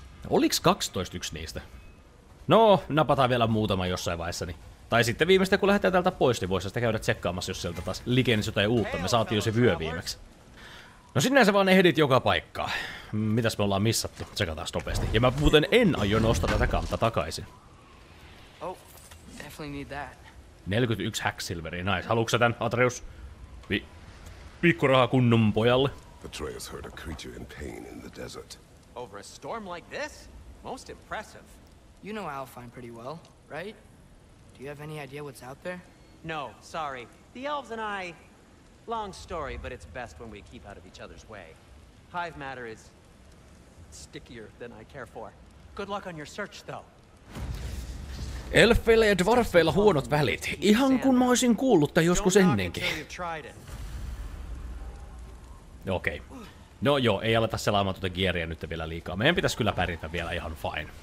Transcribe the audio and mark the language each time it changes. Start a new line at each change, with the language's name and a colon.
Finnish: Oliks 12 yksi niistä? No, napataan vielä muutama jossain vaiheessa. Tai sitten viimeistä kun lähdetään täältä pois, niin voisi sitä käydä tsekkaamassa, jos sieltä taas likenisi jotain uutta. Me saatiin jo se vyö viimeksi. No sinne sä vaan ehdit joka paikkaa. Mitäs me ollaan missattu? Tsekataas nopeasti. Ja mä muuten en aio nostaa tätä kantaa takaisin.
English: Oh, definitely need that.
Finnish: 41 hacksilveri, nice. Haluuks sä tän, Atreus? Pikkuraha kunnon pojalle.
English: Atreus heard a creature in pain in the desert. Over a storm like this? Most impressive. You know Alfheim pretty well, right? Do you have any idea what's out there? No, sorry. The elves and I... Long story, but it's best when we keep out of each other's way. Hive matter is stickier than I care for. Good luck on your search, though.
Finnish: Elfeillä ja dwarfeilla huonot välit. Ihan kun mä olisin kuullut tämän joskus ennenkin. Okei. No joo, ei aleta selaamaan tuota gearia nyt vielä liikaa. Meidän pitäisi kyllä pärjätä vielä ihan fine.